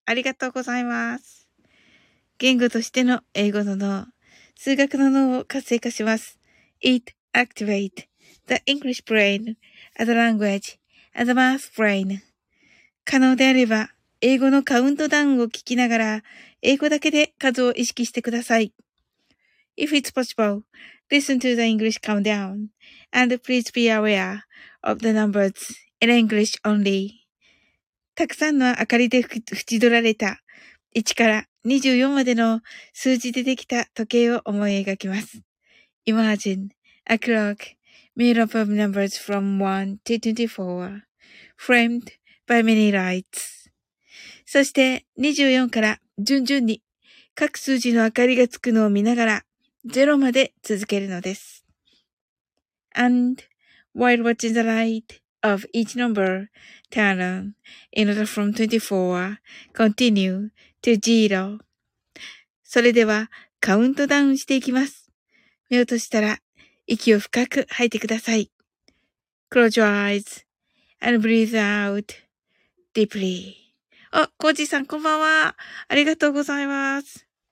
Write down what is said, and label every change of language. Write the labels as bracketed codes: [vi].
[ja] ありがとうございます。言語としての英語の脳、数学の脳を活性化します。 [en] It activates the English brain as a language, as a math brain. [ja] 可能であれば、英語のカウントダウンを聞きながら、英語だけで数を意識してください。 [en] If it's possible, listen to the English countdown and please be aware of the numbers in English only. [ja] たくさんの明かりで縁取られた1から24までの数字でできた時計を思い描きます。 [en] Imagine a clock made up of numbers from 1 to 24, framed by many lights. [ja] そして24から順々に各数字の明かりがつくのを見ながら0まで続けるのです。 [en] And while watching the light,of each number turn on in order from 24 continue to zero. [ja] それではカウントダウンしていきます。目を閉じたら息を深く吐いてください。 [en] Close your eyes and breathe out deeply. [ja] あ、コージーさんこんばんは。ありがとうございます。